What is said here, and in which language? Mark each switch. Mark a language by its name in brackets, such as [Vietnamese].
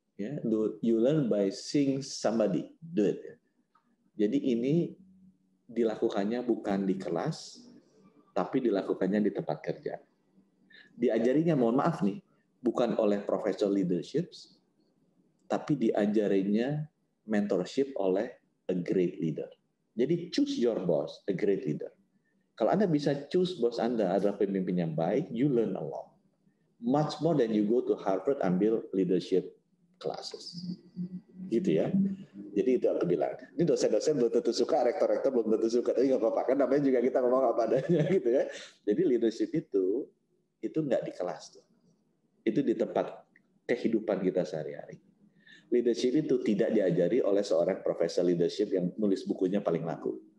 [English] Ya, you learn by seeing somebody do it. [Indonesian] Jadi ini dilakukannya bukan di kelas, tapi dilakukannya di tempat kerja. Diajarinya, mohon maaf nih, bukan oleh professional leadership, tapi diajarinya mentorship oleh a great leader. Jadi [English] choose your boss, a great leader. [Indonesian] Kalau Anda bisa choose boss Anda adalah pemimpin yang baik, [English] you learn a lot. Much more than you go to Harvard [Indonesian] ambil [English] leadership classes. [Indonesian] Gitu ya. Jadi itu aku bilang. Ini dosen-dosen belum tentu suka, rektor-rektor belum tentu suka. Tapi nggak apa-apa, kan namanya juga kita ngomong apa adanya. Gitu ya. Jadi leadership itu nggak di kelas. Tuh. Itu di tempat kehidupan kita sehari-hari. Leadership itu tidak diajari oleh seorang profesor leadership yang nulis bukunya paling laku.